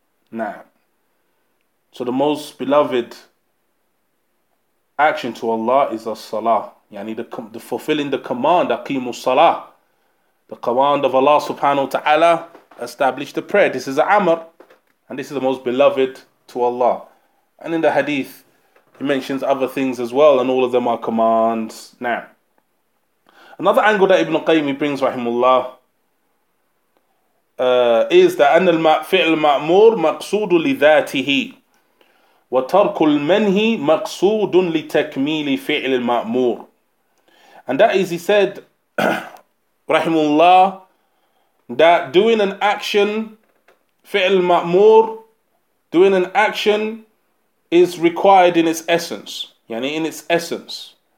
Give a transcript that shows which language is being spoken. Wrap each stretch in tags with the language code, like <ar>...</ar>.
<en>Now, so the most beloved action to Allah is as-salah, yani the fulfilling the command, aqimu salah. The command of Allah subhanahu wa ta'ala established the prayer. This is an amr, and this is the most beloved to Allah. And in the hadith, he mentions other things as well, and all of them are commands. Now, another angle that Ibn Qayyim brings, rahimullah, is that</en> <ar>أن الفعل المأمور مقصود لذاته وترك المنهي مقصود لتكميل فعل المأمور.</ar> <en>And that is, he said, rahimullah, that doing an action, fi'l ma'mur, doing an action is required in its essence. Yani in its essence.</en>